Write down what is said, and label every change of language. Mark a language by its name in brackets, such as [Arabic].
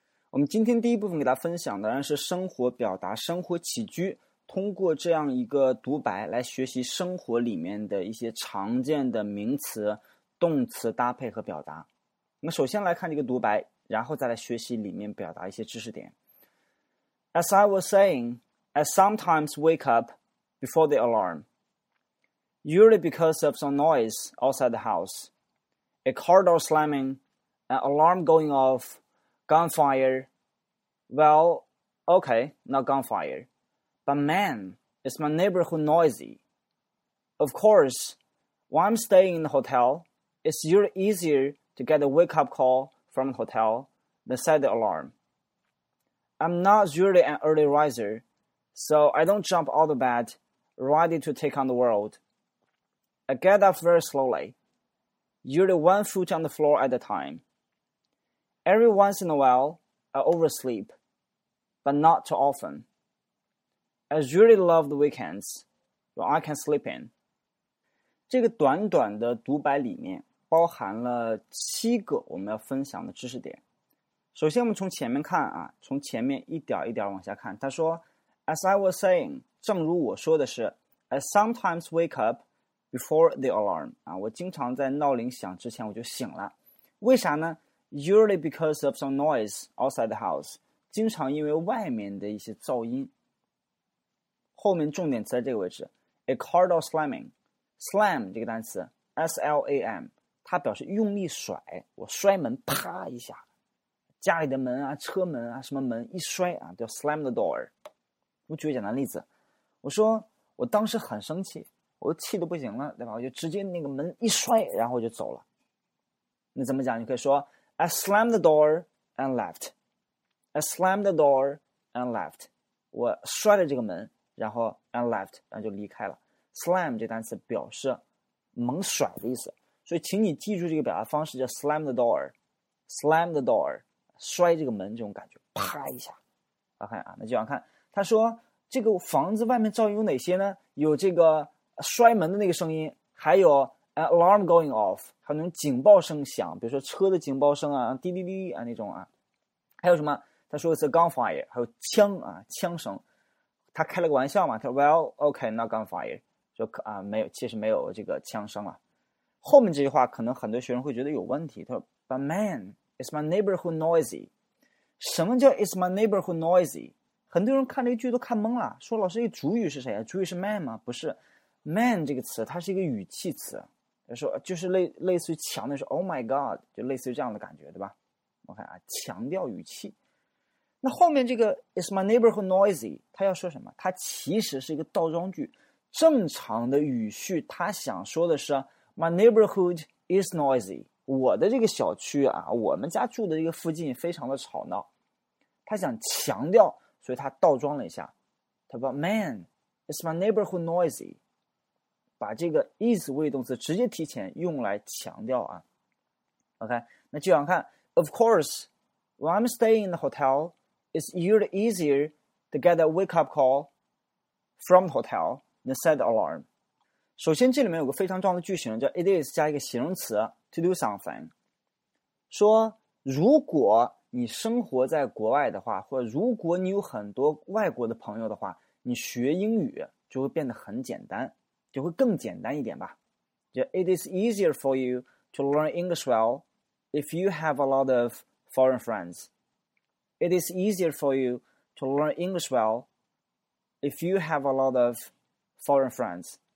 [Chinese] 我们今天第一部分给大家分享的是生活表达、生活起居，通过这样一个独白来学习生活里面的一些常见的名词、动词搭配和表达。那首先来看这个独白，然后再来学习里面表达一些知识点。 [English] As I was saying, I sometimes wake up before the alarm, usually because of some noise outside the house, a car door slamming, an alarm going off,Gunfire, well, okay, not gunfire, but man, is my neighborhood noisy? Of course, while I'm staying in the hotel, it's usually easier to get a wake-up call from the hotel than set the alarm. I'm not usually an early riser, so I don't jump out of bed ready to take on the world. I get up very slowly, usually one foot on the floor at a time. Every once in a while, I oversleep, but not too often. I really love the weekends when I can sleep in. [Chinese] 这个短短的独白里面包含了七个我们要分享的知识点。首先我们从前面看啊，从前面一点一点往下看，他说 [English] As I was saying, [Chinese] 正如我说的是 [English] I sometimes wake up before the alarm. [Chinese] 啊，我经常在闹铃响之前我就醒了。为啥呢？ [English] Usually because of some noise outside the house. [Chinese] 经常因为外面的一些噪音。后面重点词在这个位置。 [English] A car door slamming. [Chinese] Slam 这个单词 SLAM 它表示用力甩，我摔门啪一下。家里的门啊，车门啊，什么门一摔啊，叫 slam the door. 我举个简单例子。我说我当时很生气，我气得不行了，对吧，我就直接那个门一摔然后就走了。那怎么讲，你可以说 [English] I slammed the door and left. I slammed the door and left. [Chinese] 我摔了这个门，然后 [English] and left, [Chinese] 然后就离开了。 Slam 这单词表示猛甩的意思，所以请你记住这个表达方式，叫 slam the door, slam the door, 摔这个门这种感觉，啪一下。 OK 啊，那就想看，他说这个房子外面噪音有哪些呢？有这个摔门的那个声音，还有。 [English] An alarm going off, [Chinese] 还有那种警报声响，比如说车的警报声啊，滴滴滴啊那种啊。还有什么？他说 it's a gunfire, 还有枪啊，枪声。他开了个玩笑嘛，他说 [English] well, okay, not gunfire, [Chinese] 就啊没有，其实没有这个枪声了。后面这句话可能很多学生会觉得有问题，他说 [English] but man, it's my neighborhood noisy. [Chinese] 什么叫 [English] it's my neighborhood noisy? [Chinese] 很多人看这句都看懵了，说老师这主语是谁啊？主语是 man 吗？不是。 Man 这个词它是一个语气词，就是 类似于强的说 [English] Oh my god, [Chinese] 就类似于这样的感觉，对吧？我看啊，强调语气。那后面这个 [English] Is my neighborhood noisy? [Chinese] 它要说什么？它其实是一个倒装句，正常的语序它想说的是 [English] My neighborhood is noisy, [Chinese] 我的这个小区啊，我们家住的这个附近非常的吵闹，它想强调，所以它倒装了一下，它说 [English] Man, is my neighborhood noisy? [Chinese] 把这个 is 谓动词直接提前用来强调啊。 [English] OK, [Chinese] 那就想看 [English] Of course, when I'm staying in the hotel, it's usually easier to get a wake-up call from the hotel than set the alarm. [Chinese] 首先这里面有个非常重要的句型，叫 it is 加一个形容词 to do something. 说如果你生活在国外的话，或者如果你有很多外国的朋友的话，你学英语就会变得很简单。就会更简单一点吧，就 [English] It is easier for you to learn English well if you have a lot of foreign friends. It is easier for you to learn English well if you have a lot of foreign friends.